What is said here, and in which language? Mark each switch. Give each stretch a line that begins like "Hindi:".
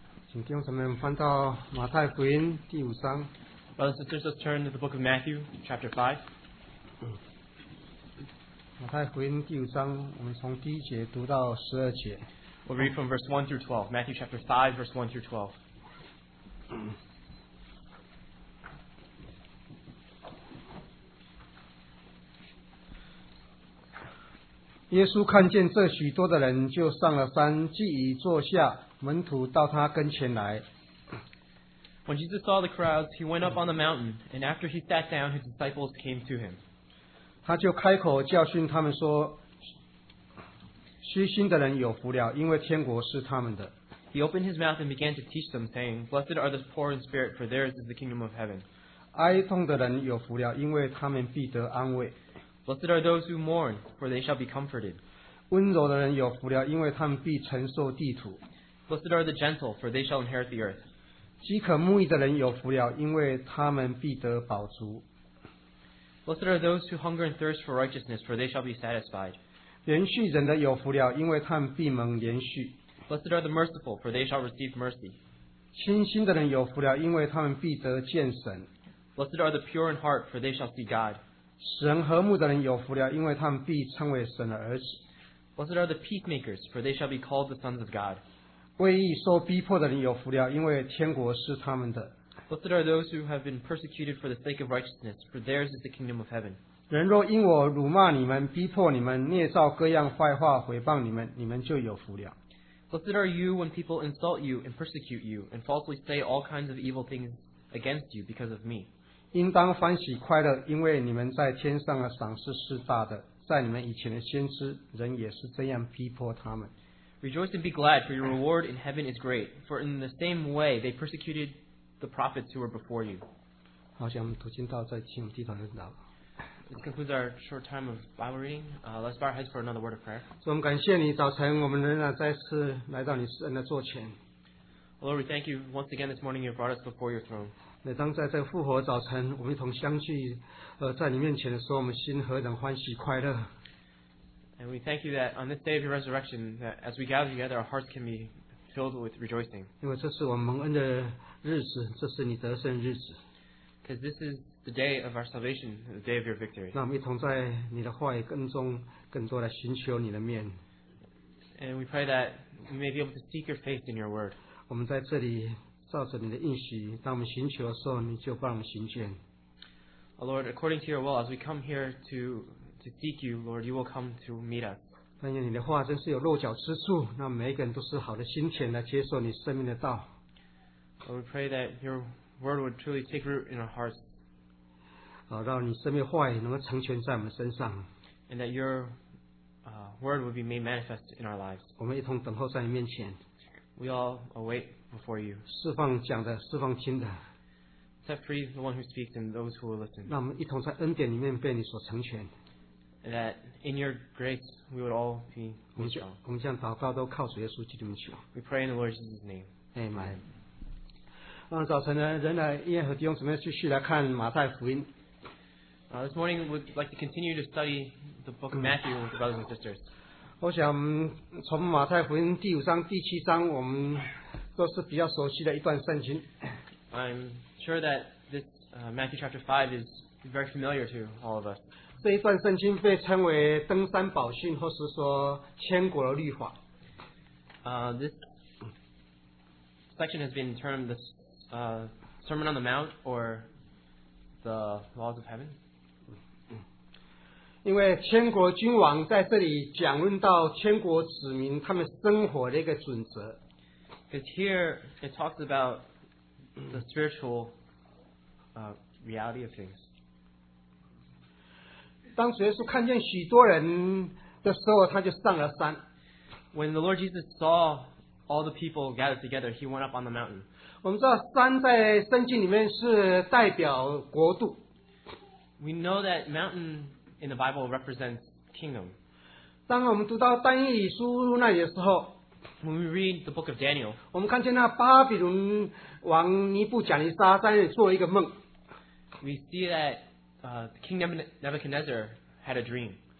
Chinese: 请弟兄姊妹翻到马太福音第五章。
English: Brothers and sisters, turn to the book of Matthew, chapter 5.
Chinese: 马太福音第五章，我们从第一节读到十二节。
English: We'll read from verse 1 through 12, Matthew chapter 5, verse 1 through 12.
Chinese: 耶稣看见这许多的人，就上了山，既已坐下，门徒到他跟前来。
English: When Jesus saw the crowds, he went up on the mountain, and after he sat down, his disciples came to him.
Chinese: 他就开口教训他们说，虚心的人有福了，因为天国是他们的。
English: He opened his mouth and began to teach them, saying, Blessed are the poor in spirit, for theirs is the kingdom of heaven.
Chinese: 哀痛的人有福了，因为他们必得安慰。
English: Blessed are those who mourn, for they shall be comforted.
Chinese: 温柔的人有福了，因为他们必承受地土。
English: Blessed are the gentle, for they shall inherit the earth.
Chinese: 饥渴慕义的人有福了，因为他们必得饱足。
English: Blessed are those who hunger and thirst for righteousness, for they shall be satisfied.
Chinese: 连续忍的有福了，因为他们必蒙连续。
English: Blessed are the merciful, for they shall receive mercy.
Chinese: 清心的人有福了，因为他们必得见神。
English: Blessed are the pure in heart, for they shall see God.
Chinese: 使人和睦的人有福了，因为他们必称为神的儿子。
English: Blessed are the peacemakers, for they shall be called the sons of God.
Chinese: 为义受逼迫的人有福了，因为天国是他们的。
English: Blessed are those who have been persecuted for the sake of righteousness, for theirs is the kingdom of heaven.
Chinese: 人若因我辱骂你们，逼迫你们，捏造各样坏话毁谤你们，你们就有福了。
English: Blessed are you when people insult you and persecute you and falsely say all kinds of evil things against you because of me.
Chinese: 应当欢喜快乐，因为你们在天上的赏赐是大的，在你们以前的先知人也是这样逼迫他们。
English: Rejoice and be glad, for your reward in heaven is great, for in the same way they persecuted the prophets who were before you.
Chinese: 好，我们读经到这，请我们低头认祷。
English: This concludes our short time of Bible reading. Let's bow our heads for another word of prayer.
Chinese: 我们感谢你，早晨我们仍然再次来到你施恩的座前。
English: Lord, we thank you once again this morning you brought us before your throne.
Chinese: 每当在这复活早晨我们一同相聚在你面前的时候，我们心何等欢喜快乐。
English: And we thank you that on this day of your resurrection, that as we gather together, our hearts can be filled with rejoicing.
Chinese: 因为这是我们蒙恩的日子，这是你得胜日子。
English: Because this is the day of our salvation, the day of your victory.
Chinese: 那我们一同在你的话语跟踪，更多的寻求你的面。
English: And we pray that we may be able to seek your face in your word.
Chinese: 我们在这里照着你的应许，当我们寻求的时候，你就帮我们寻见。
English: Oh Lord, according to your will, as we come here to seek you, Lord, you will come to meet us.
Chinese: 但愿你的话真是有落脚之处，那每一个人都是好的心情来接受你生命的道。
English: Lord, we pray that your word would truly take root in our hearts.
Chinese: 让你生命话语能够成全在我们身上。
English: And that your word would be made manifest in our lives.
Chinese: 我们一同等候在你面前。
English: We all await before you.
Chinese: 释放讲的，释放听的。
English: Set free the one who speaks and those who will listen.
Chinese: 让我们一同在恩典里面被你所成全。
English: And that in your grace we would all be made strong.
Chinese: 我们这样祷告都靠主耶稣基督的名求。
English: We pray in the Lord Jesus' name. Amen.
Chinese: 早晨呢，仍然依然和弟兄姊妹继续来看马太福音。
English: This morning we'd like to continue to study the book of Matthew with brothers and sisters.
Chinese: 我想从马太福音第五章、第七章，我们都是比较熟悉的一段圣经。
English: I'm sure that this Matthew chapter 5 is very familiar to all of us.
Chinese: 这一段圣经被称为登山宝训，或是说千古的律法。
English: This section has been termed the Sermon on the Mount or the Laws of Heaven.
Chinese: 因为天国君王在这里讲论到天国子民他们生活的一个准则。
English: Because here it talks about the spiritual reality of things.
Chinese: 当耶稣看见许多人的时候，他就上了山。
English: When the Lord Jesus saw all the people gathered together, he went up on the mountain.
Chinese: 我们知道山在圣经里面是代表国度。
English: We know that mountain in the Bible represents kingdom.
Chinese: 当我们读到但以理书那里的时候
English: ，When we read the book of Daniel,
Chinese: 我们看见那巴比伦王尼布甲尼撒在那里做了一个梦。
English: We see that King Nebuchadnezzar had a dream.